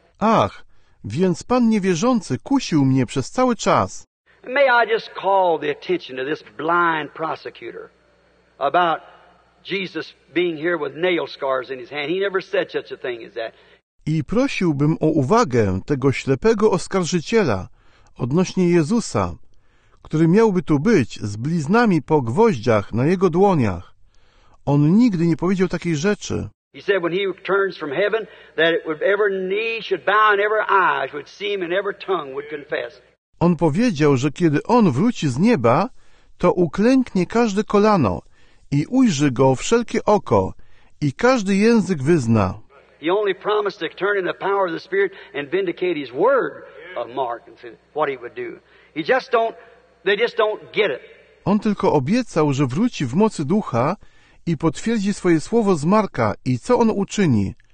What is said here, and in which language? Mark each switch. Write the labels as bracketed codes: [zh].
[pl] Ach, więc pan niewierzący kusił mnie przez cały czas. [en] May I just call the attention to this blind prosecutor about Jesus being here with nail scars in his hand. He never said such a thing as that. [pl] I prosiłbym o uwagę tego ślepego oskarżyciela odnośnie Jezusa, który miałby tu być z bliznami po gwoździach na jego dłoniach. On nigdy nie powiedział takiej rzeczy. [en] He said when he returns from heaven that every knee should bow and every eye would see him and every tongue would confess. [pl] On powiedział, że kiedy on wróci z nieba, to uklęknie każde kolano i ujrzy go wszelkie oko i każdy język wyzna. [en] He only promised to turn in the power of the Spirit and vindicate his word of Mark and see what he would do. They just don't get it. [pl] On tylko obiecał, że wróci w mocy ducha i potwierdzi swoje słowo z Marka i co on uczyni.